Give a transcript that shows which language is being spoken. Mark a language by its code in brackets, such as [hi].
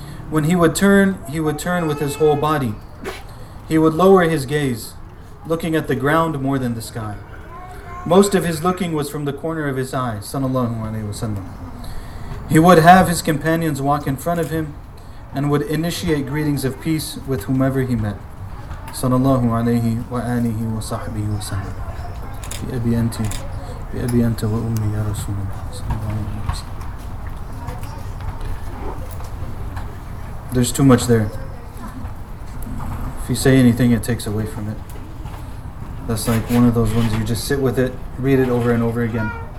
[en] When he would turn with his whole body. He would lower his gaze, looking at the ground more than the sky. Most of his looking was from the corner of his eye, [ar] sallallahu alayhi wa sallam. [en] He would have his companions walk in front of him and would initiate greetings of peace with whomever he met. [ar] Sallallahu alayhi wa alihi wa sahbihi wa sallam. بأبي أنت وأمي يا رسول الله صلى الله عليه وسلم. [en] There's too much there. If you say anything, it takes away from it. That's like one of those ones you just sit with it, read it over and over again.